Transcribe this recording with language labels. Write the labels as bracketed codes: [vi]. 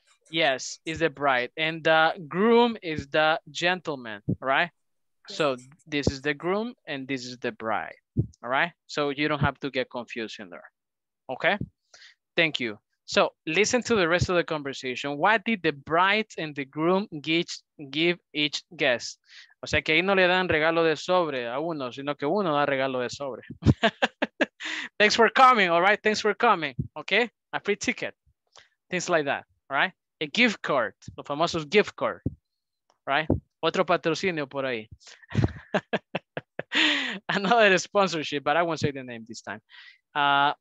[en] Yes, is the bride. And the groom is the gentleman, right? So this is the groom and this is the bride, all right? So you don't have to get confused in there, okay? Thank you. So listen to the rest of the conversation. What did the bride and the groom give each guest? [es] O sea, que ahí no le dan regalo de sobre a uno, sino que uno da regalo de sobre. [en] Thanks for coming, all right? Thanks for coming, okay? A free ticket, things like that, all right? A gift card, [es] los famosos gift card, [en] right? [es] Otro patrocinio por ahí. [en] Another sponsorship, but I won't say the name this time.